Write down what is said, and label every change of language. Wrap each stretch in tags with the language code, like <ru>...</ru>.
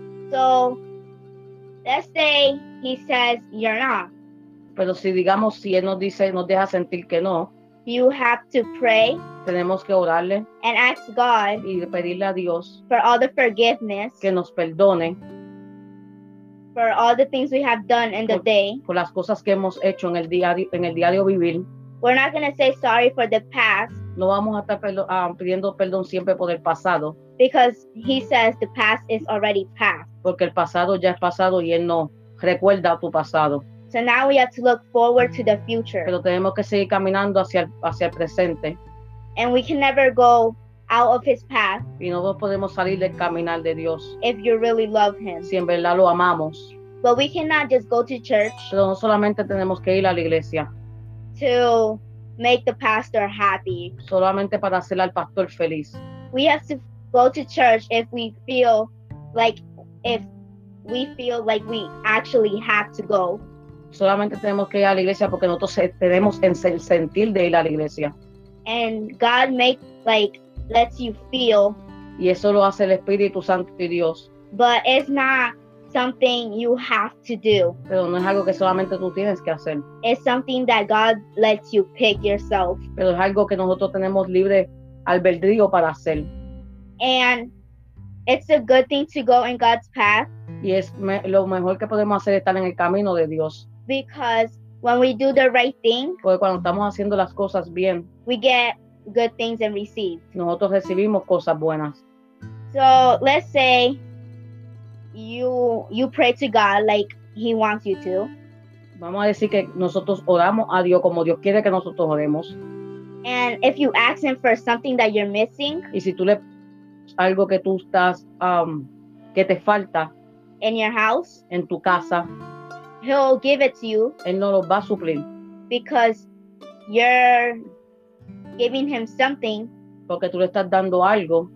<en>So let's say he says you're not.</en> <es>Pero si digamos si él nos dice, nos deja sentir que no.</es> <en>You have to pray.</en> <es>Tenemos que orarle.</es> <en>And ask God.</en> <es>Y pedirle a Dios.</es> <en>For all the forgiveness.</en> <es>Que nos perdone.</es> <en>For all the things we have done in the day.</en> <es>Por las cosas que hemos hecho en el diario vivir.</es> <en>We're not going to say sorry for the past.</en> <es>No vamos a estar pidiendo perdón siempre por el pasado.</es> <en>Because he says the past is already past.</en> <es>Porque el pasado ya es pasado y él no recuerda tu pasado.</es> <en>So now we have to look forward to the future.</en> <es>Pero tenemos que seguir caminando hacia el presente.</es> <en>And we can never go out of his path.</en> <es>Y no podemos salir del caminar de Dios.</es> <en>If you really love him.</en> <es>Si en verdad lo amamos.</es> <en>But we cannot just go to church.</en> <es>Pero no solamente tenemos que ir a la iglesia.</es> <en>To make the pastor happy.</en> <es>Solamente para hacer al pastor feliz.</es> <en>we have to go to church if we feel like we actually have to go.</en> <es>Solamente tenemos que ir a la iglesia porque nosotros tenemos el sentir de ir a la iglesia.</es> <en>And God makes like lets you feel.</en> <es>Y eso lo hace el Espíritu Santo y Dios.</es> <en>But it's not something you have to do.</en> <es>Pero no es algo que solamente tú tienes que hacer.</es> <en>It's something that God lets you pick yourself.</en> <es>Pero es algo que nosotros tenemos libre albedrío para hacer.</es> <en>And it's a good thing to go in God's path.</en> <es>Y es lo mejor que podemos hacer estar en el camino de Dios.</es> <en>Because when we do the right thing,</en> <es>porque cuando estamos haciendo las cosas bien,</es> <en>we get good things and receive.</en> <es>Nosotros recibimos cosas buenas.</es> <en>So let's say you pray to God like He wants you to.</en> <es>Vamos a decir que nosotros oramos a Dios como Dios quiere que nosotros oremos.</es> <en>And if you ask Him for something that you're missing,</en> <es>y si tú le algo que tú estás que te falta</es> <en>in your house,</en> <es>en tu casa,</es> <en>He'll give it to you.</en> <es>Él no lo va a suplir.</es> <en>Because you're giving Him something.</en> <es>Porque tú le estás dando algo.</es>